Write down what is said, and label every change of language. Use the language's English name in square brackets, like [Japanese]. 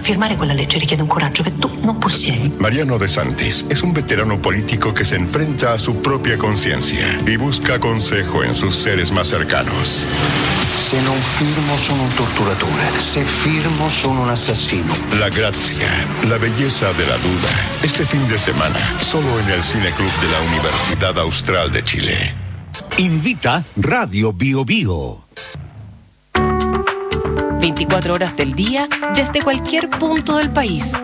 [Italian] Firmare quella legge richiede un coraggio che tu non possiedi. [Spanish] Mariano De Santis es un veterano político que se enfrenta a su propia conciencia y busca consejo en sus seres más cercanos. [Italian] Se non firmo sono un torturatore, se firmo sono un assassino. [Spanish] La Grazia, la belleza de la duda. Este fin de semana, solo en el Cine Club de la Universidad Austral de Chile. Invita Radio Bio Bio. 24 horas del día, desde cualquier punto del país.